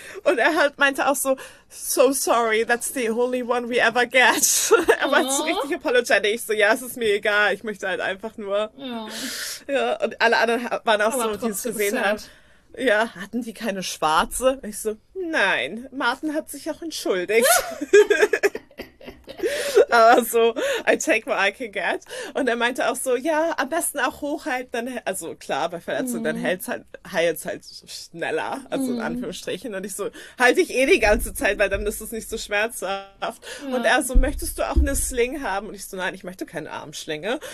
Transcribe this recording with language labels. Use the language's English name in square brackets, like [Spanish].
[German] Und er halt meinte auch so, [English] so sorry, that's the only one we ever get. [German] Er meinte so richtig apologetic. Ich so, ja, es ist mir egal, ich möchte halt einfach nur. Ja, und alle anderen waren auch Aber so, die es trotzdem gesehen haben. [English] sad. [German] Ja, hatten die keine Schwarze? Ich so, nein, Martin hat sich auch entschuldigt. Aber so, [English] I take what I can get. [German] Und er meinte auch so, ja, am besten auch hochhalten, dann, also klar, bei Verletzungen, dann heilt's halt schneller, also in Anführungsstrichen. Und ich so, halte ich eh die ganze Zeit, weil dann ist es nicht so schmerzhaft. Und er so, möchtest du auch eine Sling haben? Und ich so, nein, ich möchte keine Armschlinge.